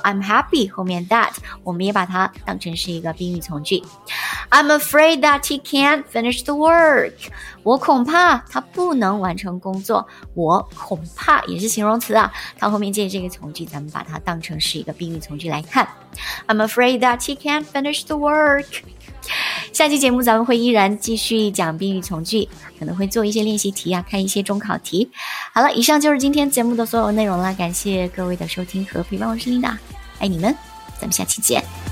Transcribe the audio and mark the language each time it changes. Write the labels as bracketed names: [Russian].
[English] I'm happy [Chinese] 后面 that 我们也把它当成是一个宾语从句。 [English] I'm afraid that he can't finish the work， [Chinese] 我恐怕他不能完成工作。我恐怕也是形容词啊，它后面接这个从句，咱们把它当成是一个宾语从句来看。 [English] I'm afraid that he can't finish the work。 [Chinese] 下期节目咱们会依然继续讲宾语从句，可能会做一些练习题啊，看一些中考题。好了，以上就是今天节目的所有内容了，感谢各位的收听和陪伴，我是 Linda， 爱你们，咱们下期见。